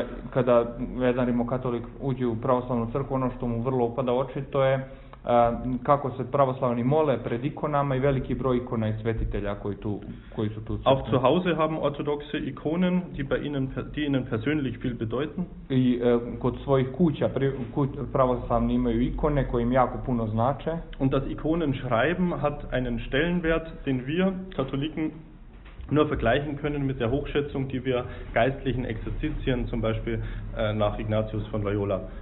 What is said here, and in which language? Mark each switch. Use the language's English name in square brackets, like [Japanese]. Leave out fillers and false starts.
[Serbian] Kada jedan Rimokatolik uđe u pravoslavnu crkvu, ono što mu vrlo upada oči, to je kako se pravoslavni mole pred ikonama i veliki broj ikona i svetitelja koji su tu. [German] Auch zu Hause haben orthodoxe Ikonen, die ihnen persönlich viel bedeuten. [Serbian] I kod svojih kuća pravoslavni imaju ikone koje im jako puno znače. [German] Und das Ikonenschreiben hat einen Stellenwert, den wir Katholiken nur vergleichen können mit der Hochschätzung, die wir geistlichen Exerzitien zum Beispiel nach Ignatius von Loyola